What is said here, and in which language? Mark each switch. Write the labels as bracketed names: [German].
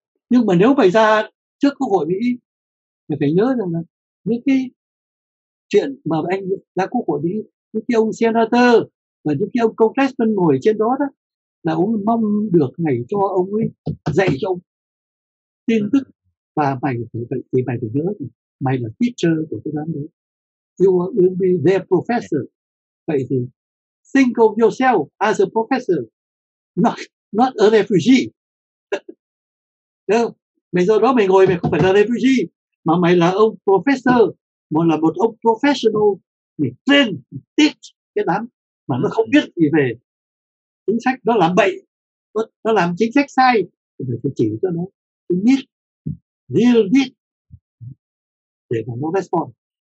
[Vietnamese] Nhưng mà nếu mày ra trước quốc hội Mỹ thì phải nhớ rằng là những cái chuyện mà anh ra quốc hội Mỹ, những cái ông senator và những cái ông congressman ngồi trên đó là ông mong được ngày cho ông ấy dạy cho ông tin tức. Và mày thì mày phải nhớ mày là teacher của cái đám đấy, [English] you will be their professor. [Vietnamese] Vậy thì [English] think of yourself as a professor, Not a refugee. [Vietnamese] Mày do đó mày ngồi mày không phải là refugee, mà mày là ông professor, mà là một ông professional để [English] train, teach [Vietnamese] cái đám mà nó không biết gì về chính sách, nó làm bậy, nó làm chính sách sai, thì mày phải chỉ cho nó, [English] need, real need [Vietnamese] để mà nó respond.